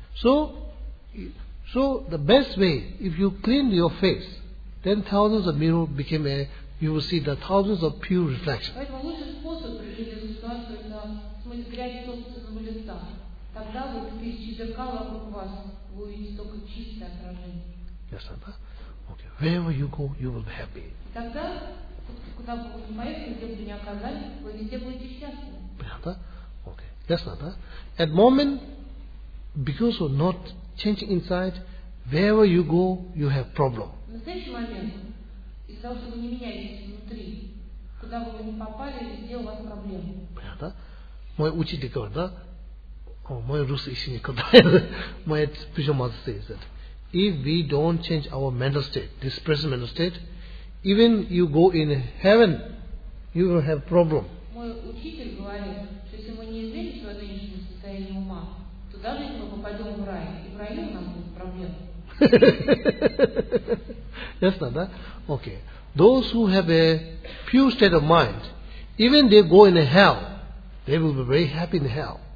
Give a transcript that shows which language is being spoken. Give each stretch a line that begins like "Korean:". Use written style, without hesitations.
English: So the best way, if you clean your face, then thousands of mirror became a, you will see the thousands of pure reflection.
Russian: Поэтому лучший способ решить эту ситуацию это смыть грязь собственного лица. Тогда вы тысячи зеркал вокруг вас, вы увидите только чистое отражение. Ясно, да?
English: Okay. Wherever you go, you will be happy.
Russian: Тогда, куда бы вы не поехали, где бы не оказались, вы везде будете счастливы. Понятно? Okay. Ясно, да?
English: At moment, because of not changing inside, wherever you go, you have problem.
Russian: В настоящий момент, из-за того, что вы не меняетесь внутри, куда бы вы не попали, везде у вас проблемы. Понятно? Мой учитель говорит, да? О, мой русский еще никогда. Мой пижамат стоит.
English: If we don't change our mental state, this present mental state, even you go in heaven, you will have problem.
Russian: Мой учитель говорит, что если мы не изменим свое нынешнее состояние ума, то даже если мы попадем в рай, и в раю нам будет проблема. Ясно, да? Okay.
English: Those who have a pure state of mind, even they go in hell, they will be very happy in hell.